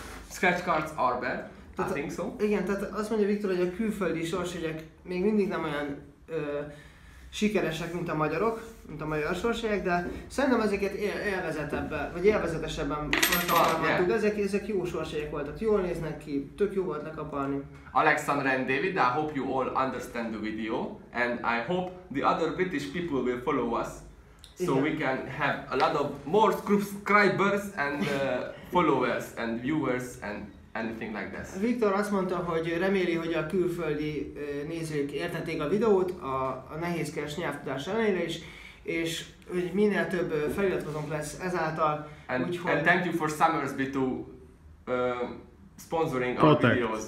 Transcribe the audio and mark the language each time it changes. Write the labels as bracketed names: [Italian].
[English] Scratch cards are bad, tehát, I think so. [Hungarian] Igen, tehát azt mondja Viktor, hogy a külföldi sorsjegyek még mindig nem olyan sikeresek, mint a magyarok, mint a magyar sorsjegyek, de szerintem ezeket élvezetesebben használhatjuk. Ezek jó sorsjegyek voltak, jól néznek ki, tök jó volt lekapalni. [English] Alexander and David, I hope you all understand the video, and I hope the other British people will follow us, so igen. We can have a lot of more subscribers and followers and viewers and anything like this. [Hungarian] Viktor azt mondta, hogy reméli, hogy a külföldi nézők értették a videót a nehézkes nyelvtudás ellenére is, és hogy minél több feliratkozónk lesz ezáltal. [English] And thank you for Summersby to sponsoring our videos.